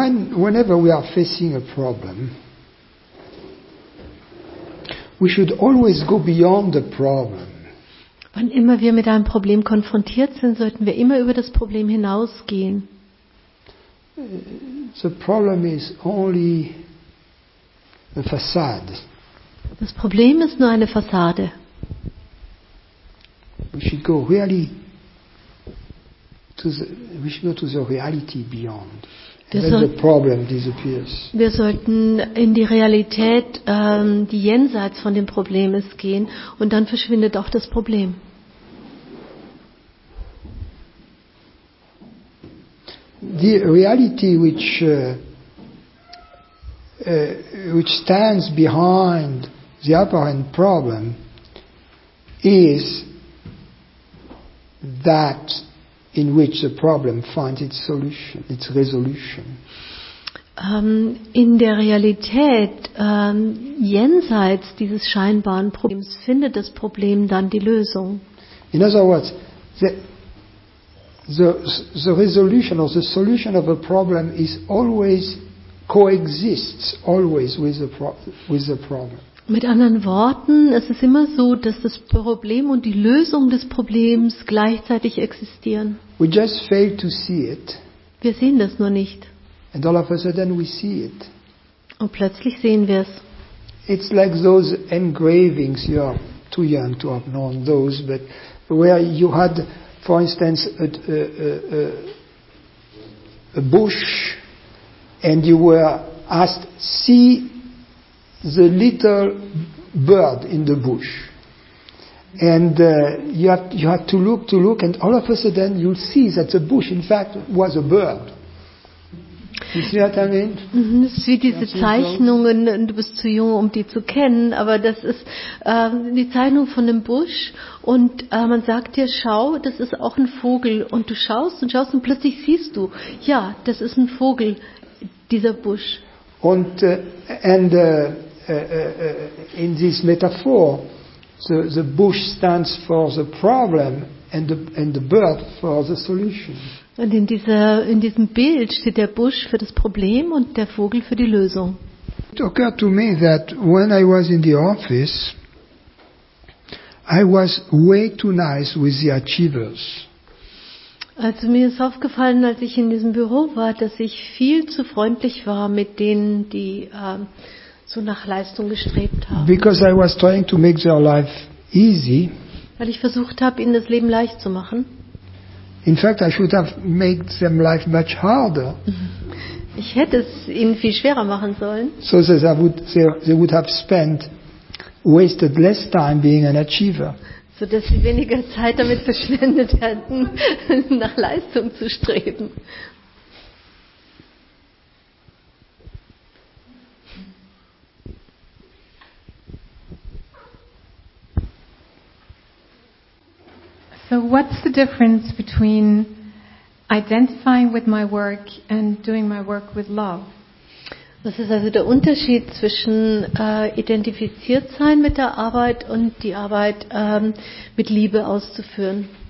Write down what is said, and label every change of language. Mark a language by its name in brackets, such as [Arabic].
[English] Whenever we are facing a problem, we should always go beyond the problem. [German] Wann immer wir mit einem Problem konfrontiert sind, sollten wir immer über das Problem hinausgehen. [English] The problem is only a facade. [German] Das Problem ist nur eine Fassade. [English] We should go really to the reality beyond. [German] Wir sollten in die Realität, die jenseits von dem Problem ist, gehen, und dann verschwindet auch das Problem. [English] The reality which stands behind the apparent problem is that in which the problem finds its solution, its resolution. [German] In der Realität, jenseits dieses scheinbaren Problems, findet das Problem dann die Lösung. [English] In other words, the resolution or the solution of a problem is always coexists always with the problem. [German] Mit anderen Worten, es ist immer so, dass das Problem und die Lösung des Problems gleichzeitig existieren. [English] We just fail to see it. [German] Wir sehen das nur nicht. [English] And all of a sudden we see it. [German] Und plötzlich sehen wir es. [English] It's like those engravings, you are too young to have known those, but where you had, for instance, a bush, and you were asked, see the little bird in the bush, and you have to look, and all of a sudden you see that the bush in fact was a bird. You see what I mean? [German] Es ist wie diese Zeichnungen, und du bist zu jung, um die zu kennen, aber das ist die Zeichnung von einem Busch, und man sagt dir, schau, das ist auch ein Vogel, und du schaust und schaust, und plötzlich siehst du, ja, das ist ein Vogel, dieser Busch. [English] In this metaphor, the bush stands for the problem and the bird for the solution. [German] Und in diesem Bild steht der Busch für das Problem und der Vogel für die Lösung. [English] It occurred to me that when I was in the office, I was way too nice with the achievers. [German] Also mir ist aufgefallen, als ich in diesem Büro war, dass ich viel zu freundlich war mit denen, die so nach Leistung gestrebt haben. [English] Because I was trying to make their life easy. [German] Weil ich versucht habe, ihnen das Leben leicht zu machen. [English] In fact, I should have made them life much harder. [German] Ich hätte es ihnen viel schwerer machen sollen. [English] So that they would have wasted less time being an achiever. [German] So dass sie weniger Zeit damit verschwendet hätten, nach Leistung zu streben. [English] So what's the difference between identifying with my work and doing my work with love? [German] Was ist also der Unterschied zwischen identifiziert sein mit der Arbeit und die Arbeit mit Liebe auszuführen?